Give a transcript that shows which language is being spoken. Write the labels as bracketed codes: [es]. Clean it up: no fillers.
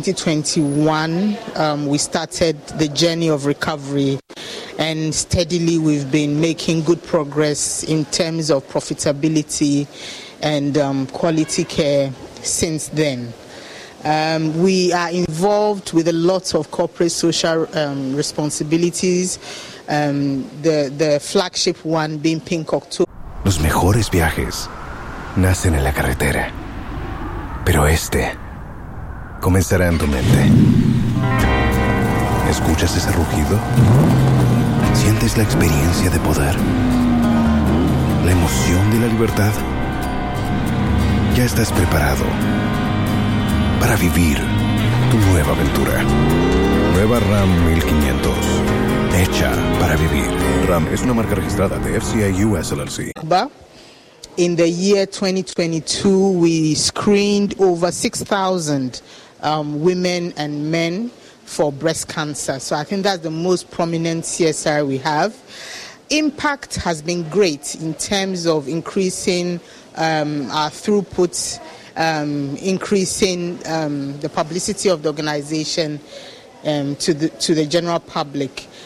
[en] 2021, we started the journey of recovery, and steadily we've been making good progress in terms of profitability and quality care since then. We are involved with a lot of corporate social responsibilities, the flagship one being Pink October. [es] Los mejores viajes nacen en la carretera, pero este comenzará en tu mente. ¿Escuchas ese rugido? ¿Sientes la experiencia de poder? ¿La emoción de la libertad? Ya estás preparado para vivir tu nueva aventura. Nueva Ram 1500. Hecha para vivir. Ram es una marca registrada de FCA US LLC. [en] In the year 2022, we screened over 6,000 women and men for breast cancer. So I think that's the most prominent CSR we have. Impact has been great in terms of increasing our throughput, increasing the publicity of the organization to the general public.